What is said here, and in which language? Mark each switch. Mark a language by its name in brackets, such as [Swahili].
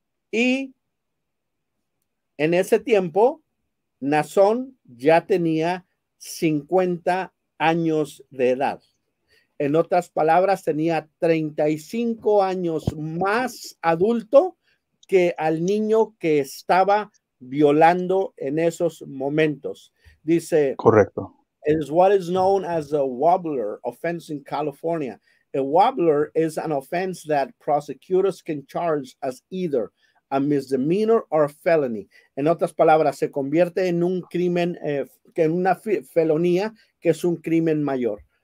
[Spanish] Y en ese tiempo, Nason ya tenía 50 años de edad. En otras palabras, tenía 35 años más adulto que al niño que estaba violando en esos momentos. Dice, correcto. [English] It is what is known as a wobbler offense in California. A wobbler is an offense that prosecutors can charge as either a misdemeanor or a felony. [Spanish] En otras palabras, se convierte en un crimen, felonía, que es un crimen mayor.